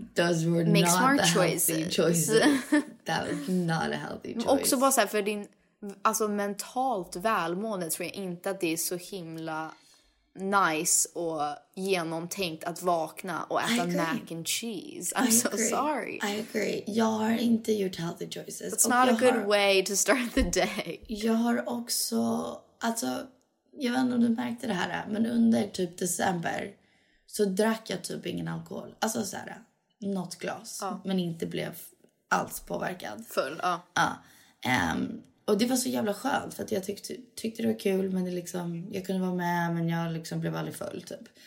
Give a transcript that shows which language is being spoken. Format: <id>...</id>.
<en>Those were make not smart choices. That was not a healthy choice.</en> <sv>Men också bara så här, för din alltså mentalt välmående tror jag inte att det är så himla... nice och genomtänkt att vakna och äta</sv> <en>mac and cheese. I agree.</en> <sv>Jag har inte gjort</sv> <en>healthy choices. It's not a good way to start the day.</en> <sv>Jag har också, alltså, jag vet inte om du märkte det här, men under typ december så drack jag typ ingen alkohol. Alltså så här, något glas. Men inte blev alls påverkad. Full, ja. Och det var så jävla skönt, för att jag tyckte det var kul, men det liksom, jag kunde vara med, men jag liksom blev aldrig full typ.</sv>